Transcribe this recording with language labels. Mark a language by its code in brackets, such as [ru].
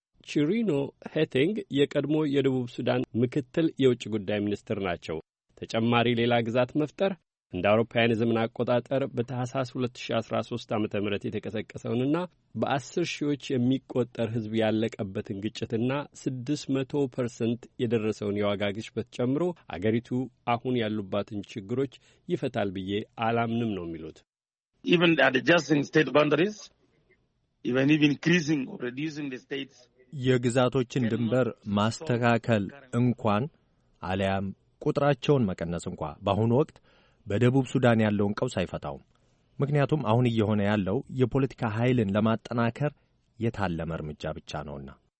[am] ቺሪኖ ሄቲንግ የቀድሞ የደቡብ ሱዳን ምክትል የውጭ ጉዳይ ሚኒስትር ናቸው። ተጨማሪ ሌላ ግዛት መፍጠር እንደ አውሮፓውያን ዘመን አቆጣጠር በታህሳስ 2013 ዓመተ ምህረት የተከሰከሰውንና በ10 ሺዎች የሚቆጠር ህዝብ ያለቀበትን ግጭትና 600% የደረሰውን የዋጋ ግሽበት ጨምሮ አገሪቱ አሁን ያሉባትን ችግሮች ይፈታል ብዬ አላምንም ነው የሚሉት። [en] Even at adjusting state boundaries, even increasing or reducing the states, [am] የግዛቶችን ድንበር ማስተካከል እንኳን አለያም ቁጥራቸውን መቀነስ እንኳ በአሁን ወቅት በደቡብ ሱዳን ያለውን ቀውስ አይፈታውም። ምክንያቱም አሁን እየሆነ ያለው የፖለቲካ ኃይልን ለማጠናከር የታለመ እርምጃ ብቻ ነውና።